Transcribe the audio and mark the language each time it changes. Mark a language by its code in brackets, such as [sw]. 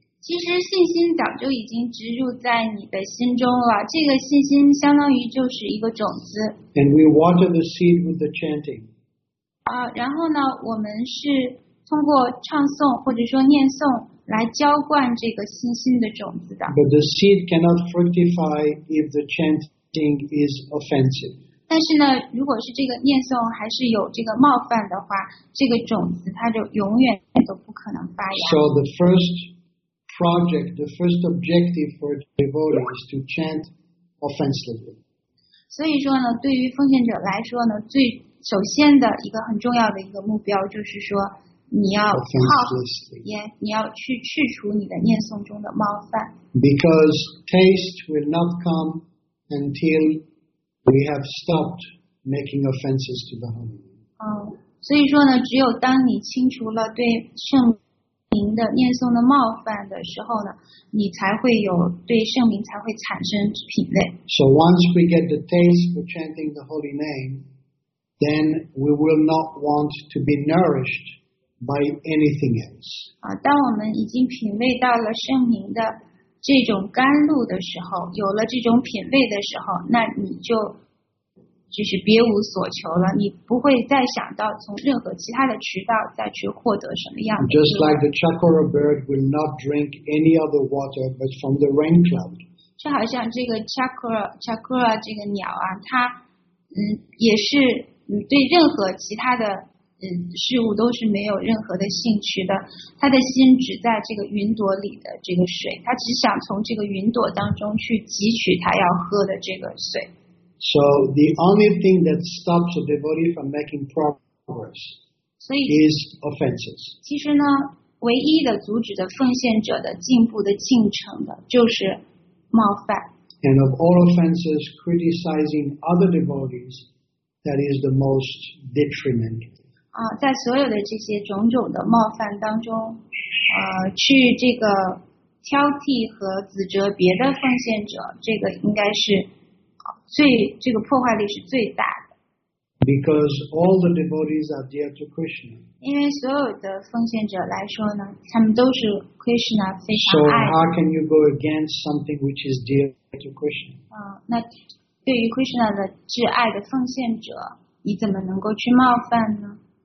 [zh] 其实信心早就已经植入在你的心中了，这个信心相当于就是一个种子。 [en] And we water the seed with the chanting. [zh] 然后呢，我们是通过唱诵或者说念诵来浇灌这个信心的种子的。 [en] But the seed cannot fructify if the chanting is offensive. [zh] 但是呢，如果是这个念诵还是有这个冒犯的话，这个种子它就永远都不可能发芽。 [en] So the first project, the first objective for a devotee is to chant offensively. [zh] 所以说呢，对于奉献者来说呢，最首先的一个很重要的一个目标就是说，你要你要去去除你的念诵中的冒犯。 [en] Because taste will not come until. We have stopped making offenses to the holy. [zh] 所以说呢，只有当你清除了对圣名的念诵的冒犯的时候呢，你才会有对圣名才会产生品味。 [en] So once we get the taste for chanting the holy name, then we will not want to be nourished by anything else. [zh] 当我们已经品味到了圣名的。这种甘露的时候，有了这种品味的时候，那你就就是别无所求了，你不会再想到从任何其他的渠道再去获得什么样的。 [en] Just like the Chakura bird will not drink any other water but from the rain cloud. [zh] 就好像这个 Chakura 这个鸟啊，它也是对任何其他的事物都是没有任何的兴趣的，他的心只在这个云朵里的这个水，他只想从这个云朵当中去汲取他要喝的这个水。 [en] So the only thing that stops a devotee from making progress is offenses. [zh] 其实呢，唯一的阻止的奉献者的进步的进程的就是冒犯。 [en] And of all offenses, criticizing other devotees, that is the most detrimental. [zh] 在所有的这些种种的冒犯当中，去这个挑剔和指责别的奉献者，这个应该是这个破坏力是最大的。 [en] Because all the devotees are dear to Krishna. [zh] 因为所有的奉献者来说呢，他们都是 Krishna 非常爱的。 [en] So how can you go against something which is dear to Krishna? [zh] 那对于 Krishna 的挚爱的奉献者，你怎么能够去冒犯呢？